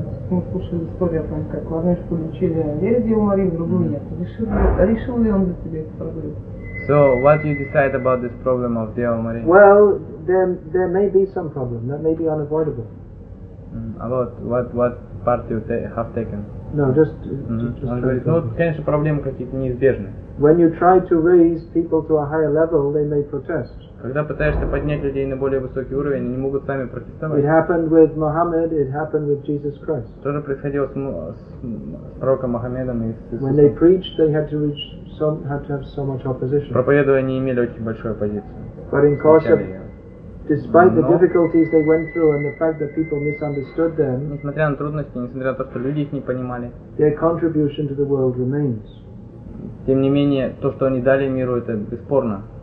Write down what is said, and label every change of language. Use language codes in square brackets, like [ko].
[ru] Мы слушали историю о том, как в одной школе учили верить Деву Марии, в другую нет. Решил ли он для себя эту проблему? [en] So, what do you decide about this problem of Деву Марии? Well, there may be some problem. That may be unavoidable. About what part you have taken? No, just. Mm-hmm. Just [ru] он говорит, ну, вот, конечно, проблемы какие-то неизбежны. [en] When you try to raise people to a higher level, they may protest. [ru] Когда пытаешься поднять людей на более высокий уровень, они не могут сами протестовать. [en] It happened with Muhammad. It happened with Jesus Christ. [ru] Тоже происходило с пророком Мухаммедом и с Иисусом. [en] When they preached, they had to reach some, had to have so much opposition. [ru] Проповедуя, они имели очень большую оппозицию. [en] But in course of, despite the difficulties they went through and the fact that people misunderstood them, [ru] несмотря на трудности, несмотря на то, что люди их не понимали, [en] their contribution to the world remains. [ru] Тем не менее, то, что они дали миру, это бесспорно.